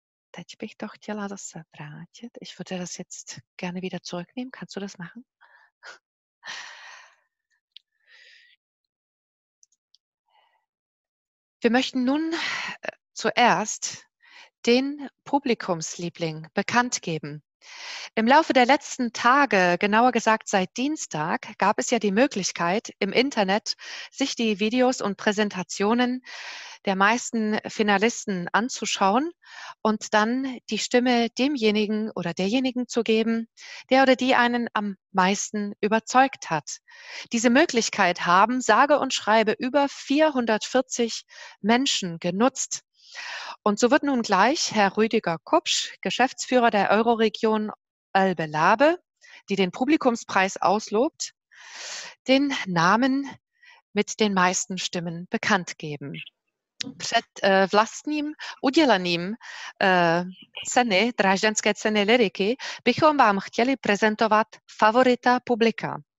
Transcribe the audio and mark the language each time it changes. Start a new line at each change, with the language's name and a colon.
Czech: Teď bych to chtěla zase vrátit.
German: Ich würde das jetzt gerne wieder zurücknehmen. Kannst du das machen? Wir möchten nun zuerst den Publikumsliebling bekannt geben. Im Laufe der letzten Tage, genauer gesagt seit Dienstag, gab es ja die Möglichkeit, im Internet sich die Videos und Präsentationen der meisten Finalisten anzuschauen und dann die Stimme demjenigen oder derjenigen zu geben, der oder die einen am meisten überzeugt hat. Diese Möglichkeit haben sage und schreibe über 440 Menschen genutzt. Und so wird nun gleich Herr Rüdiger Kupsch, Geschäftsführer der Euroregion Elbe-Labe, die den Publikumspreis auslobt, den Namen mit den meisten Stimmen bekannt geben.
Czech: Před vlastním udělením ceny, Drážďanské ceny liriky, bychom vám chtěli prezentovat favorita publika.